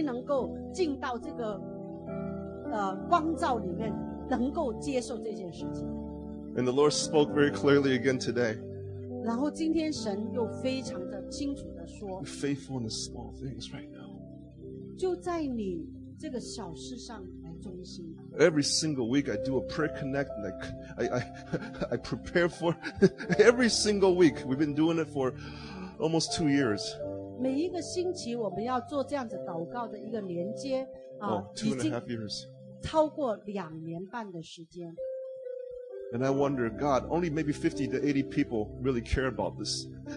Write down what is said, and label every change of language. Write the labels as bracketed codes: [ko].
[zh] 什么时候这些人才能够进到这个 光照里面，能够接受这件事情？ [en] And the Lord spoke very clearly again today. [zh] 然后今天神又非常的清楚地说, [en] be faithful in the small things right now. [zh] 就在你这个小事上, [en] every single week I do a prayer connect, like I prepare for every single week. We've been doing it for almost 2 years. [zh] 每一个星期我们要做这样子祷告的一个连接, [en] oh, two and a half years. [zh] 超过2年半的时间。 [en] And I wonder, God, only maybe 50 to 80 people really care about this.